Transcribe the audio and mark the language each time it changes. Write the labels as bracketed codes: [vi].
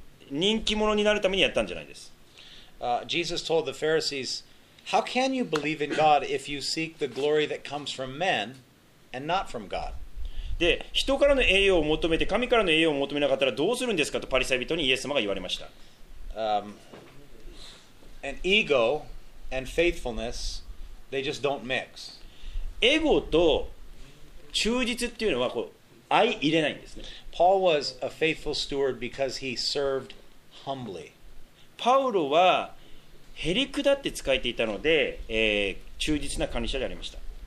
[ja] 人気者になるためにやったんじゃないです。 [en] Jesus told the Pharisees, How can you believe in God if you seek the glory that comes from men and not from God? [ja] で、人からの栄誉を求めて神からの栄誉を求めなかったらどうするんですかとパリサイ人にイエス様が言われました。 [en] And ego and faithfulness, they just don't mix. [ja] エゴと忠実っていうのはこう相入れないんですね。 [en] Paul was a faithful steward because he served humbly. [ja] パウロはへりくだって使えていたので、忠実な管理者でありました。